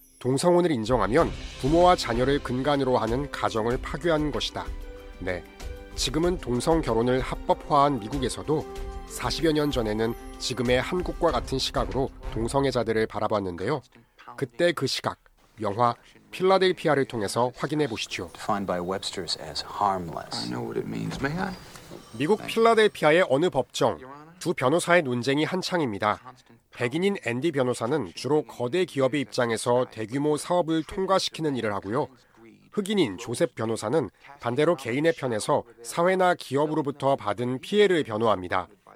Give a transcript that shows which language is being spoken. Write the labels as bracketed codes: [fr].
[ko] 동성혼을 인정하면 부모와 자녀를 근간으로 하는 가정을 파괴하는 것이다. 네, 지금은 동성 결혼을 합법화한 미국에서도 40여 년 전에는 지금의 한국과 같은 시각으로 동성애자들을 바라봤는데요. 그때 그 시각, 영화 필라델피아를 통해서 확인해 보시죠. [en] Defined by Webster's as harmless. I know what it means. May I? [ko] 미국 필라델피아의 어느 법정, 두 변호사의 논쟁이 한창입니다. 백인인 앤디 변호사는 주로 거대 기업의 입장에서 대규모 사업을 통과시키는 일을 하고요. 흑인인 조셉 변호사는 반대로 개인의 편에서 사회나 기업으로부터 받은 피해를 변호합니다.